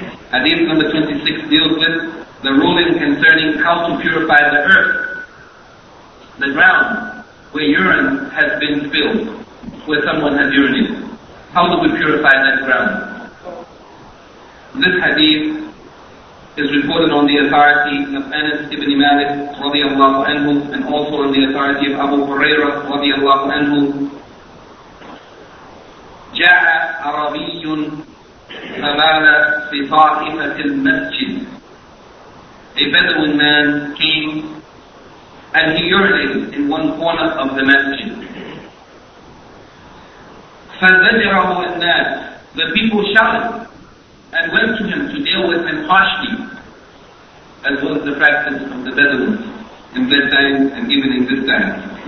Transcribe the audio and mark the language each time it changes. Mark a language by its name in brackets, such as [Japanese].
[English] Hadith number 26 deals with the ruling concerning how to purify the earth, the ground where urine has been spilled, where someone has urinated. How do we purify that ground? This hadith is reported on the authority of Anas ibn Malik radiallahu anhu, and also on the authority of Abu Huraira radiallahu anhu. [Arabic] جاء عربي فبال في طائفة المسجد. [English] A Bedouin man came and he urinated in one corner of the masjid. [Arabic] فزجره الناس. [English] The people shouted and went to him to deal with him harshly, as was the practice of the Bedouins in that time and even in this time.